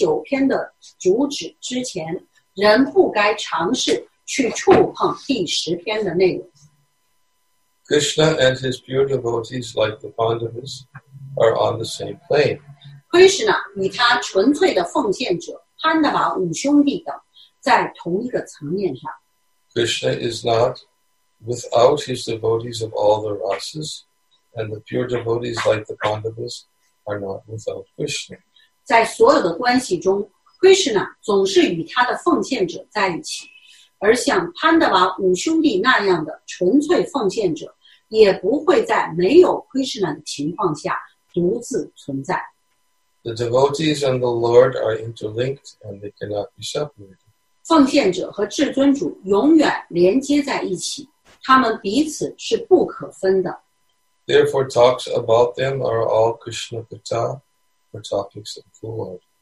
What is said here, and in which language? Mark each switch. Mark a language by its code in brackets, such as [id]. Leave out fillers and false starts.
[zh] 在没有完全理解其他9篇的主旨之前, 人不该尝试去触碰第10篇的内容。 [en] Krishna and his pure devotees like the Pandavas are on the same plane. [zh] Krishna 与他纯粹的奉献者潘达瓦五兄弟等在同一个层面上。 [en] Krishna is not without his devotees of all the rasas, and the pure devotees like the Pandavas are not without Krishna. [zh] 在所有的关系中, Krishna 总是与他的奉献者在一起, 而像潘达瓦五兄弟那样的纯粹奉献者 也不会在没有Krishna的情况下独自存在。 [en] The devotees and the Lord are interlinked and they cannot be separated. [zh] 奉献者和至尊主永远连接在一起, 他们彼此是不可分的。 [en] Therefore, talks about them are all Krishna Katha or topics of the Lord.